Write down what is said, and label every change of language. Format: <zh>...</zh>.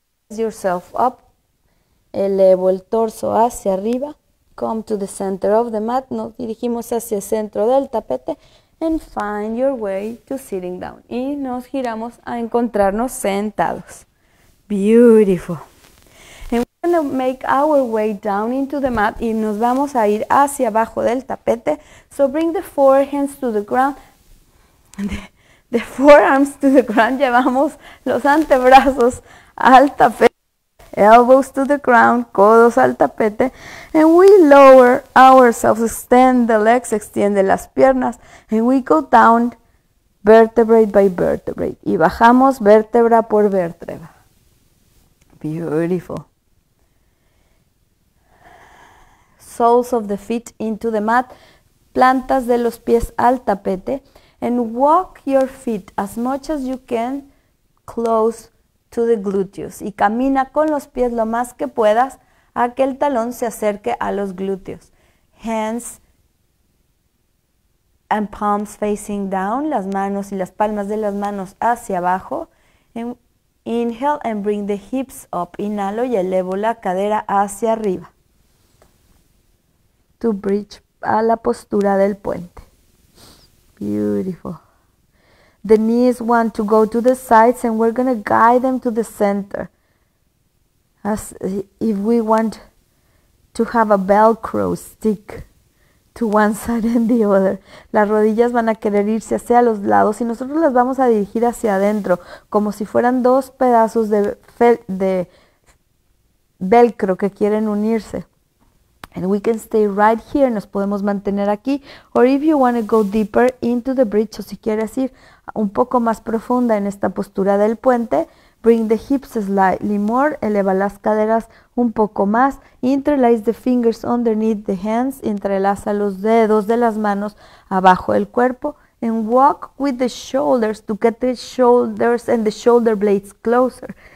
<en>Yourself up.</en> <es>Elevo el torso hacia arriba.</es> <en>Come to the center of the mat.</en> <es>Nos dirigimos hacia el centro del tapete.</es> <en>And find your way to sitting down.</en> <es>Y nos giramos a encontrarnos sentados.</es> <en>Beautiful. And we're going to make our way down into the mat.</en> <es>Y nos vamos a ir hacia abajo del tapete.</es> <en>So bring the forehands to the ground. The forearms to the ground.</en> <es>Llevamos los antebrazos al tapete.</es> <en>Elbows to the ground.</en> <es>Codos al tapete.</es> <en>And we lower ourselves. Extend the legs.</en> <es>Extiende las piernas.</es> <en>And we go down vertebrae by vertebrae.</en> <es>Y bajamos vértebra por vértebra.</es> <en>Beautiful. Soles of the feet into the mat.</en> <es>Plantas de los pies al tapete.</es> <en>And walk your feet as much as you can close to the gluteus.</en> <es>Y camina con los pies lo más que puedas a que el talón se acerque a los glúteos.</es> <en>Hands and palms facing down.</en> <es>Las manos y las palmas de las manos hacia abajo.</es> <en>And inhale and bring the hips up.</en> <es>Inhalo y elevo la cadera hacia arriba.</es> <en>To bridge</en> <es>a la postura del puente.</es> <en>Beautiful. The knees want to go to the sides and we're going to guide them to the center. As if we want to have a Velcro stick to one side and the other.</en> <es>Las rodillas van a querer irse hacia los lados y nosotros las vamos a dirigir hacia adentro. Como si fueran dos pedazos de Velcro que quieren unirse.</es> <en>And we can stay right here,</en> <es>nos podemos mantener aquí.</es> <en>Or if you want to go deeper into the bridge,</en> <es>o si quieres ir un poco más profunda en esta postura del puente,</es> <en>bring the hips slightly more,</en> <es>eleva las caderas un poco más,</es> <en>interlace the fingers underneath the hands,</en> <es>entrelaza los dedos de las manos abajo del cuerpo,</es> <en>and walk with the shoulders to get the shoulders and the shoulder blades closer.</en>